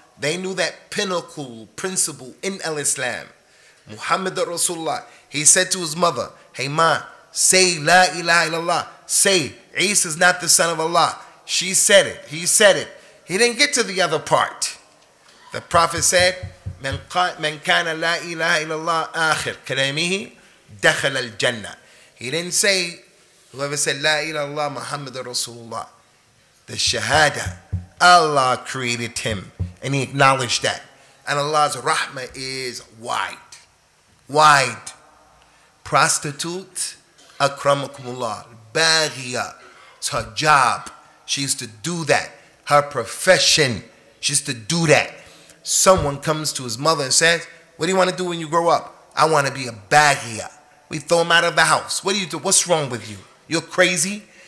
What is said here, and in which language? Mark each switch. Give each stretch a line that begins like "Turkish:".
English: They knew that pinnacle principle in al-Islam. Muhammad Rasulullah, he said to his mother, hey ma, say la ilaha illallah. Say, Isa is not the son of Allah. She said it. He said it. He didn't get to the other part. The Prophet said,
Arabic: من كان لا إله إلا الله آخر كلامه دخل الجنة.
English: He didn't say, whoever said
Arabic: لا إله إلا الله محمد رسول الله.
English: The Shahada, Allah created him. And he acknowledged that. And Allah's rahmah is wide. Wide.
Arabic: Prostitute, أكرمكم الله.
English: باغية, it's her job. She used to do that. Her profession, she used to do that. Someone comes to his mother and says, what do you want to do when you grow up? I want to be a baghia. We throw him out of the house. What do you do? What's wrong with you? You're crazy?